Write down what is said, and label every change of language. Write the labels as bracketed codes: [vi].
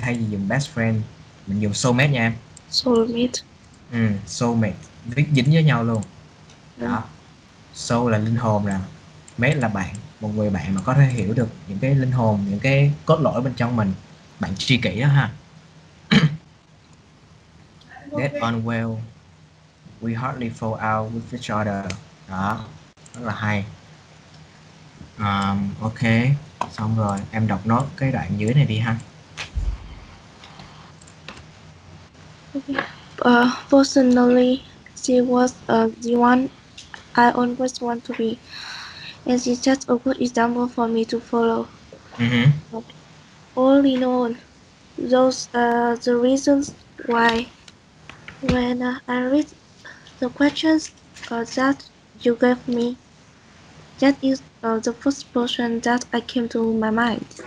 [vi] Thay vì dùng best friend, mình dùng soulmate nha em. [en] soulmate. [vi] Soulmate, dính với nhau luôn. Đó, soul là linh hồn nè, Mate là bạn, một người bạn mà có thể hiểu được những cái linh hồn, những cái cốt lõi bên trong mình, bạn tri kỷ đó ha. [en] Get on well, we hardly fall out with each other. [vi] Đó, rất là hay. Ok, xong rồi, em đọc nốt cái đoạn dưới này đi ha. [en] Personally, she was the one I always want to be, and she's just a good example for me to follow. Mm-hmm. All in all, those are the reasons why when I read the questions that you gave me, that is the first person that I came to my mind.